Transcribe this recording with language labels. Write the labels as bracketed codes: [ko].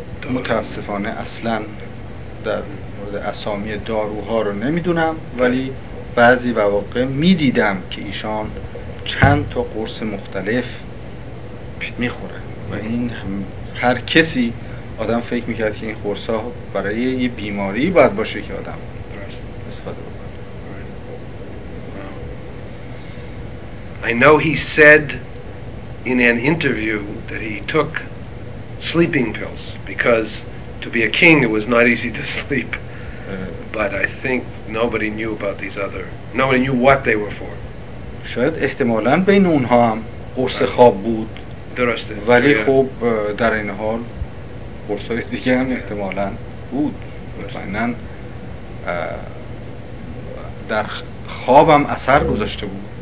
[fa] متاسفانه اصلا در مورد اسامی داروها رو نمیدونم، ولی بعضی مواقع میدیدم که ایشان چند تا قرص مختلف میخوره و این هر کسی آدم فکر میکرد که این قرص ها برای یه بیماری باید باشه که آدم استفاده بکنه. [en] I know he said in an interview that he took sleeping pills because to be a king it was not easy to sleep, but I think nobody knew about these other, nobody knew what they were for. [fa] شاید احتمالاً بین اونها هم قرص خواب بود. درسته، ولی خب در این حال قرص های دیگه هم احتمالاً بود. مطمئناً در خواب هم اثر گذاشته بود.